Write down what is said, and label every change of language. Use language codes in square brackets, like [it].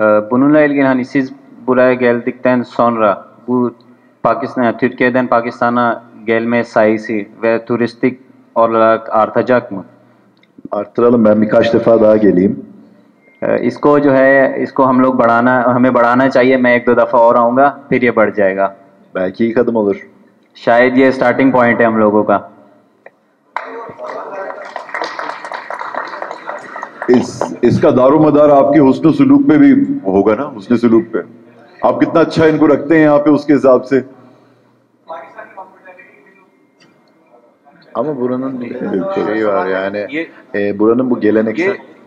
[tr] Bununla ilgili hani siz buraya geldikten sonra bu Pakistan'a, Türkiye'den Pakistan'a gelme sayısı ve turistik olarak artacak mı? Arttıralım, ben birkaç defa daha geleyim. [hi] इसको जो है इसको हम लोग बढ़ाना हमें बढ़ाना चाहिए. मैं एक दो दफा और आऊंगा फिर ये बढ़ जाएगा. बैक ही कदम उधर शायद ये स्टार्टिंग पॉइंट है हम लोगों का. इसका दारोमदार आपकी हुस्न सुलूक पे भी होगा ना, हुस्न सुलूक पे. आप कितना अच्छा इनको रखते हैं यहाँ पे उसके हिसाब से. [tr] ama buranın bir şey var yani buranın bu geleneksel.